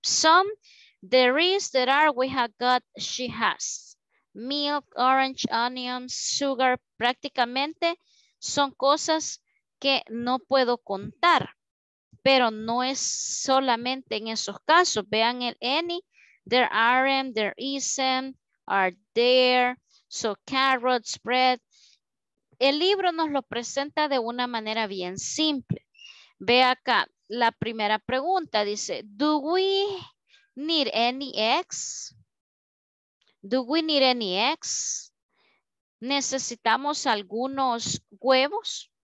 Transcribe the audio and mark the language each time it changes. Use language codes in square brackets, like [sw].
[en] Some, there is, there are, we have got, she has. Milk, orange, onions, sugar, [es] prácticamente son cosas que no puedo contar, pero no es solamente en esos casos. Vean el [en] any, there aren't, there isn't, are there, so carrots, bread. [es] El libro nos lo presenta de una manera bien simple. Ve acá, la primera pregunta dice, [en] do we need any eggs? Do we need any eggs? [es] ¿Necesitamos algunos huevos?